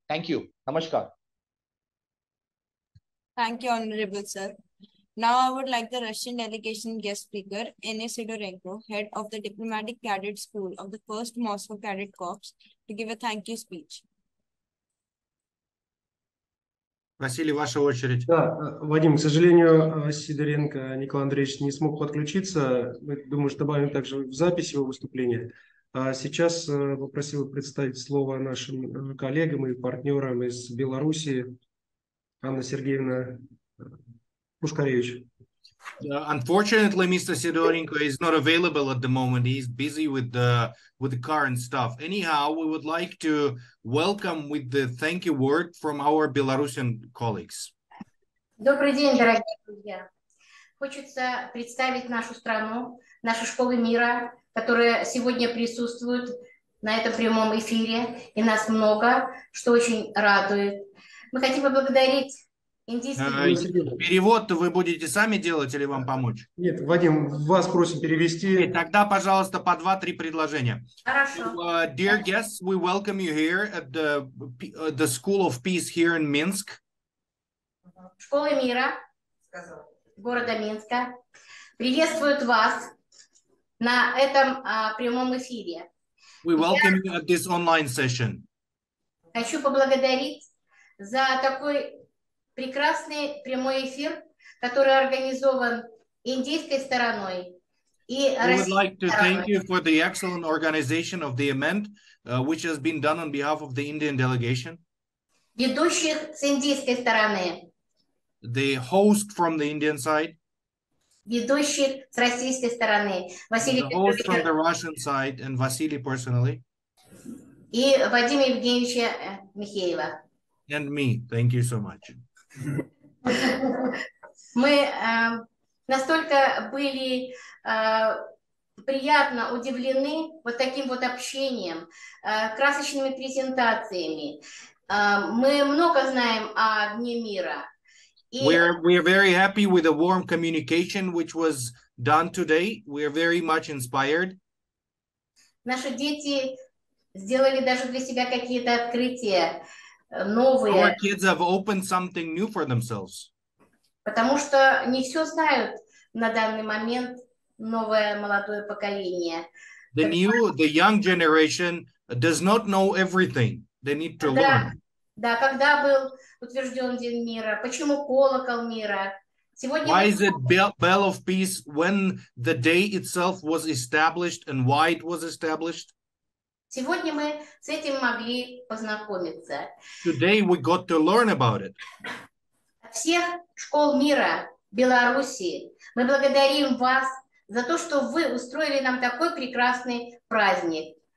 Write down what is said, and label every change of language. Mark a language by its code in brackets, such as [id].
[en] Thank you. Namaskar. Thank you, Honorable Sir. Now I would like the Russian delegation guest speaker, Anna Sidorenko, head of the Diplomatic Cadet School of the 1st Moscow Cadet Corps, to give a thank you speech. [ru] Василий, ваша очередь. Да, Вадим, к сожалению, Сидоренко Николай Андреевич не смог подключиться. Мы, думаю, что добавим также в запись его выступления. А сейчас попросил представить слово нашим коллегам и партнерам из Белоруссии, Анна Сергеевна. [en] Unfortunately, Mr. Sidorenko is not available at the moment. He's busy with the current stuff. Anyhow, we would like to welcome with the thank you word from our Belarusian colleagues. [ru] Добрый день, дорогие друзья. Хочется представить нашу страну, нашу школу мира, которая сегодня присутствует на этом прямом эфире, и нас много, что очень радует. Мы хотим поблагодарить. Перевод вы будете сами делать или вам помочь? Нет, Вадим, вас просим перевести. Okay, тогда, пожалуйста, по 2-3 предложения. Хорошо. [en] Dear guests, we welcome you here at the School of Peace here in Minsk. [ru] Школа мира, сказал, города Минска, приветствует вас на этом прямом эфире. [en] We welcome you at this online session. [ru] Хочу поблагодарить за такой прекрасный прямой эфир, который организован индийской стороной. [en] We would like to thank you for the excellent organization of the event, which has been done on behalf of the Indian delegation. [ru] Ведущих с индийской стороны. [en] The host from the Indian side. [ru] Ведущих с российской стороны. Василий. [en] The host from the Russian side and Василий personally. [ru] И Вадим Евгеньевич Михеева. [en] And me. Thank you so much. [ru] Мы настолько были приятно удивлены вот таким вот общением, красочными презентациями. Мы много знаем о дне мира. [en] We are very happy with the warm communication which was done today. We are very much inspired. [ru] Наши дети сделали даже для себя какие-то открытия новые. [en] Our kids have opened something new for themselves. [ru] Потому что не все знают на данный момент новое молодое поколение. [en] The young generation does not know everything. They need to learn. [ru] Да, когда был утвержден День мира? Почему колокол мира? Сегодня [en] why is it bell of peace when the day itself was established and why it was established? [ru] Сегодня мы с этим могли познакомиться. [en] Today we got to learn about it. [ru] Всех школ мира Белоруссии мы благодарим вас за то, что вы устроили нам такой прекрасный праздник.